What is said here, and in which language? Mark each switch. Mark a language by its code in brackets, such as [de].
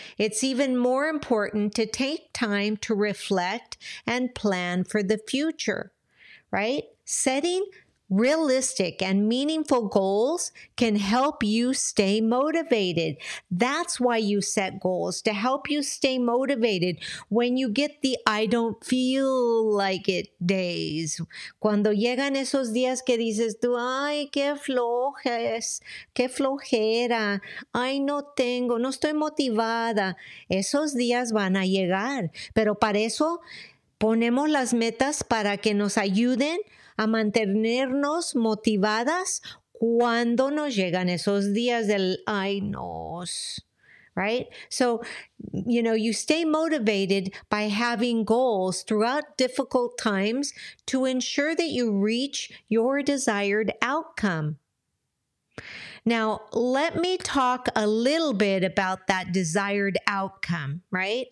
[en] It's even more important to take time to reflect and plan for the future, right? Setting realistic and meaningful goals can help you stay motivated. That's why you set goals, to help you stay motivated when you get the I don't feel like it days. [es] Cuando llegan esos días que dices tú, ay, qué flojera, ay, no tengo, no estoy motivada. Esos días van a llegar, pero para eso ponemos las metas para que nos ayuden a mantenernos motivadas cuando nos llegan esos días del ay no, [en] right? So, you stay motivated by having goals throughout difficult times to ensure that you reach your desired outcome. Now, let me talk a little bit about that desired outcome, right?